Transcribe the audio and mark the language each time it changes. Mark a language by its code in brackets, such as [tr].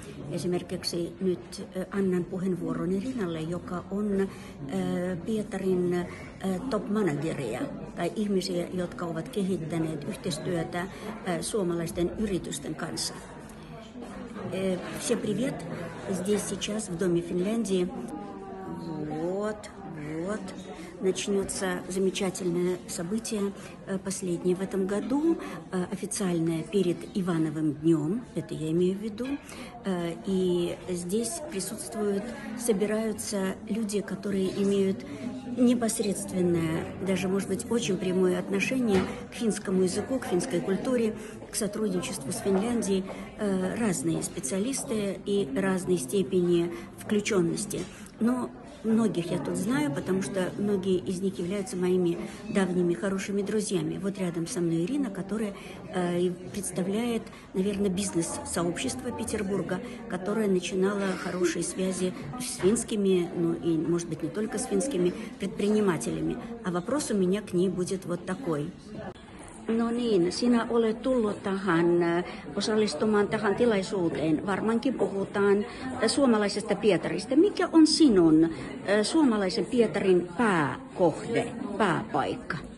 [fi] Esimerkiksi nyt annan puheenvuoroni Rinalle, joka on Pietarin top manageria tai ihmisiä, jotka ovat kehittäneet yhteistyötä suomalaisten yritysten kanssa. [ru] Все привет! Здесь сейчас, в доме Финляндии. Вот. Начнется замечательное событие последнее в этом году, официальное перед Ивановым днем, это я имею в виду. И здесь присутствуют, собираются люди, которые имеют непосредственное, даже, может быть, очень прямое отношение к финскому языку, к финской культуре, к сотрудничеству с Финляндией, разные специалисты и разной степени включенности. Но многих я тут знаю, потому что многие из них являются моими давними хорошими друзьями. Вот рядом со мной Ирина, которая представляет, наверное, бизнес-сообщество Петербурга, которое начинало хорошие связи с финскими, ну и, может быть, не только с финскими предпринимателями. А вопрос у меня к ней будет вот такой. [fi] No niin, sinä olet tullut tähän osallistumaan tähän tilaisuuteen. Varmaankin puhutaan suomalaisesta Pietarista. Mikä on sinun suomalaisen Pietarin pääkohde, pääpaikka?